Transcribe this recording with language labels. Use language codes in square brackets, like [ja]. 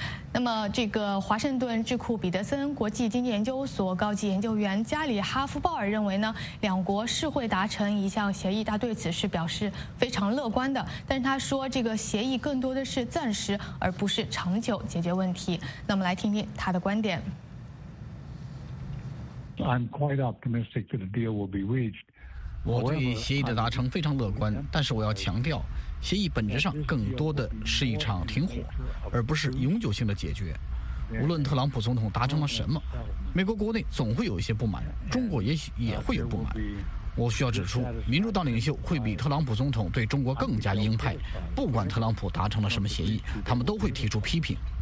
[zh] 那么这个华盛顿智库彼得森国际经济研究所高级研究员加里哈夫鲍尔认为呢，两国是会达成一项协议，他对此是表示非常乐观的，但是他说这个协议更多的是暂时而不是长久解决问题。那么来听听他的观点。 [en] I'm quite optimistic that the deal will be reached。 [zh] 我对协议的达成非常乐观，但是我要强调，协议本质上更多的是一场停火，而不是永久性的解决。无论特朗普总统达成了什么，美国国内总会有一些不满，中国也许也会有不满。我需要指出，民主党领袖会比特朗普总统对中国更加鹰派，不管特朗普达成了什么协议，他们都会提出批评。